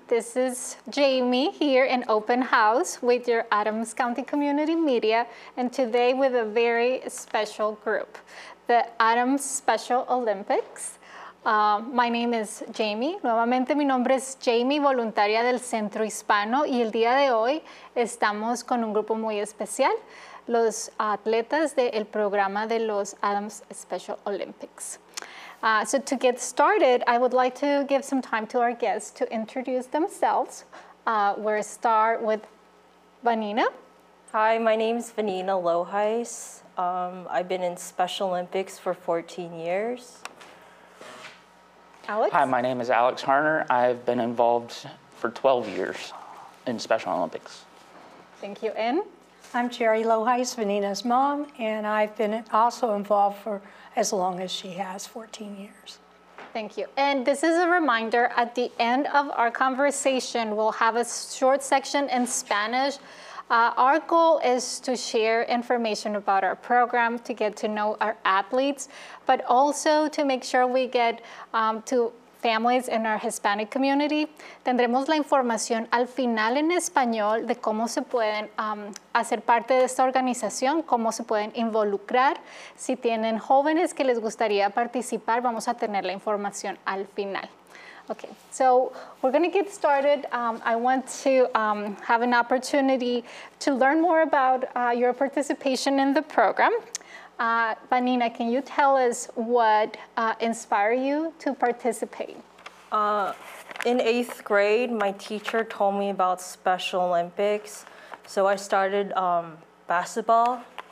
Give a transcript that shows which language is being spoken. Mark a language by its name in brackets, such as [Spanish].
[English] This is Jamie here in Open House with your Adams County Community Media, and today with a very special group, the Adams Special Olympics. My name is Jamie. [Spanish] Nuevamente, mi nombre es Jamie, voluntaria del Centro Hispano, y el día de hoy estamos con un grupo muy especial, los atletas del programa de los Adams Special Olympics. [English] So to get started, I would like to give some time to our guests to introduce themselves. We'll start with Vanina. Hi, my name's Vanina Lohuis. I've been in Special Olympics for 14 years. Alex? Hi, my name is Alex Harner. I've been involved for 12 years in Special Olympics. Thank you, Ann. I'm Jerry Lohuis, Vanina's mom, and I've been also involved for as long as she has, 14 years. Thank you. And this is a reminder, at the end of our conversation, we'll have a short section in Spanish. Our goal is to share information about our program, to get to know our athletes, but also to make sure we get to families in our Hispanic community. [Spanish] Tendremos la información al final en español de cómo se pueden hacer parte de esta organización, cómo se pueden involucrar. Si tienen jóvenes que les gustaría participar, vamos a tener la información al final. [English] Okay, so we're going to get started. I want to have an opportunity to learn more about your participation in the program. Vanina, can you tell us what inspired you to participate? In eighth grade, my teacher told me about Special Olympics, so I started basketball.